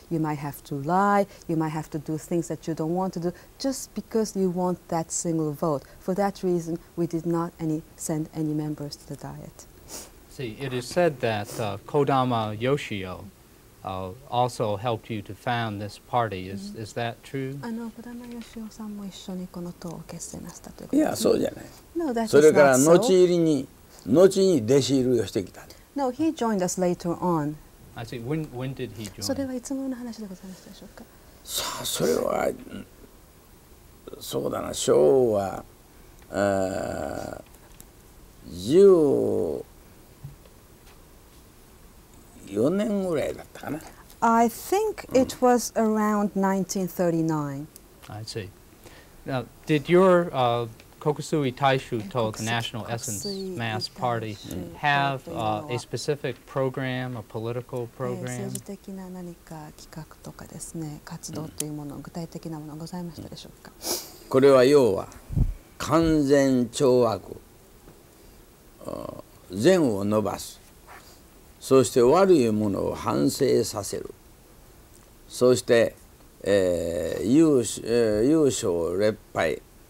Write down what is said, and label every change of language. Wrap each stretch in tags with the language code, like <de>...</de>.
<en>You might have to lie, you might have to do things that you don't want to do just because you want that single vote. For that reason, we did not send any members to the Diet. See, it is said that Kodama Yoshio also helped you to found this party. Is that true?</en> <ja>Kodama Yoshio-san も一緒にこの党を結成なさったということですね。いや、そうじゃない。</ja> <en>No, that's</en> <ja>それから後に弟子入りをしてきた。</ja> <en>No, he joined us later on. I see. When did he join?</en> <ja>それはいつもの話でございましたでしょうか。さあ、それはそうだな。昭和14年ぐらいだったかな。</ja> <en>I think it was around 1939. I see. Now, did your Kokusui Taishuto, the National Essence Mass Party, have a specific program, a political program?</en> <ja>政治的な何か企画とかですね、活動というもの、具体的なものございましたでしょうか。これは要は完全懲悪、善を伸ばす、そして悪いものを反省させる、そして優勝劣敗。</ja>